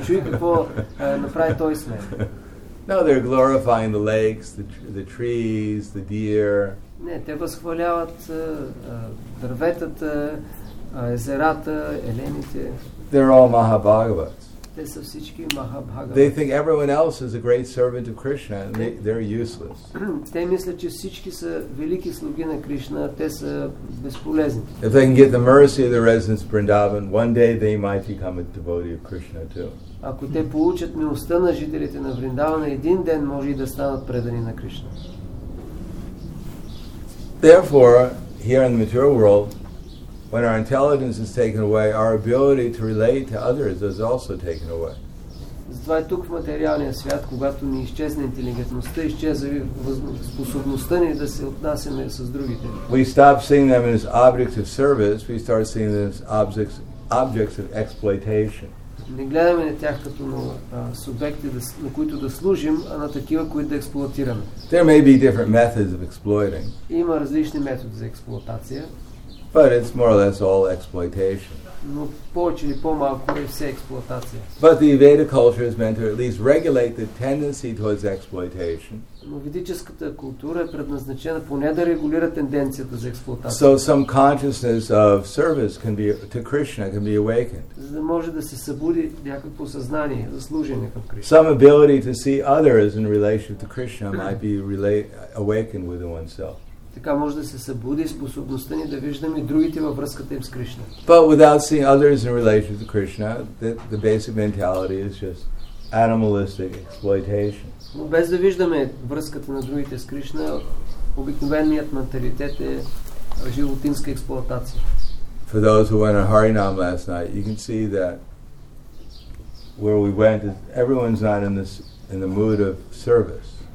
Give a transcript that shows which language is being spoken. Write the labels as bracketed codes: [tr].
[bg] Чуй какво направи той с мен. [en] No, they're glorifying the lakes, the trees, the deer. [bg] Не, те възхваляват дърветата, езерата, елените. [en] They're all Mahabhagavats. They think everyone else is a great servant of Krishna and they're useless. [bg] Те мислят, че всички са велики слуги на Кришна, те са безполезни. [en] If they can get the mercy of the residents of Vrindavan, one day they might become a devotee of Krishna too. [bg] Ако те получат милостта на жителите на Вриндавана, един ден може и да станат предани на Кришна. [en] Therefore, here in the material world, when our intelligence is taken away, our ability to relate to others is also taken away. [bg] Затова тук в материалния свят, когато ни изчезне интелигентността, изчезва способността ни да се отнасяме с другите. [en] We stop seeing them as objects of service, we start seeing them as objects of exploitation. [bg] Не гледаме на тях като на субекти, на които да служим, а на такива, които да експлоатираме. [en] There may be different methods of exploiting. [bg] Има различни методи за експлоатация. [en] But it's more or less all exploitation. [bg] Но повече или по-малко е все експлоатация. [en] But the Veda culture is meant to at least regulate the tendency towards exploitation. [bg] Но ведическата култура е предназначена поне да регулира тенденцията за експлоатация. [en] So some consciousness of service can be to Krishna can be awakened. [bg] За да може да се събуди някакво съзнание за служение към Кришна. [en] Some ability to see others in relation to Krishna might be awakened within oneself. [bg] Така може да се събуди способността ни да виждаме другите във връзката им с Кришна. [en] But without seeing others in relation to Krishna, the basic mentality is just animalistic exploitation. [bg] Но без да виждаме връзката на другите с Кришна, обикновеният менталитет е животинска експлоатация. [en] For those who went on Harinam last night, you can see that where we went, everyone's not in the mood of service.